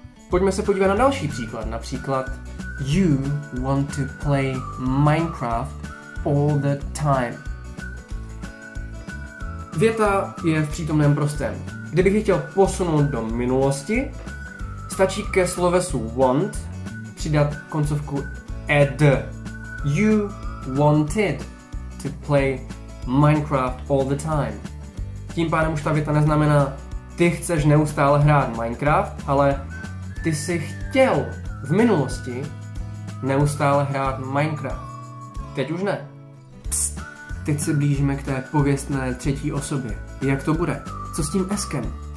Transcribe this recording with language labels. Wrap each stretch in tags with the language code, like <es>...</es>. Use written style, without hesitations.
<cs>Pojďme se podívat na další příklad, například</cs> <en>you want to play Minecraft all the time.</en> <cs>Věta je v přítomném prostém. Kdybych ji chtěl posunout do minulosti, stačí ke slovesu want přidat koncovku ed.</cs> <en>You wanted to play Minecraft all the time.</en> <cs>Tím pádem už ta věta neznamená ty chceš neustále hrát Minecraft, ale ty jsi chtěl v minulosti neustále hrát Minecraft. Teď už ne. Psst, teď se blížíme k té pověstné třetí osobě. Jak to bude? Co s tím eskem?</cs>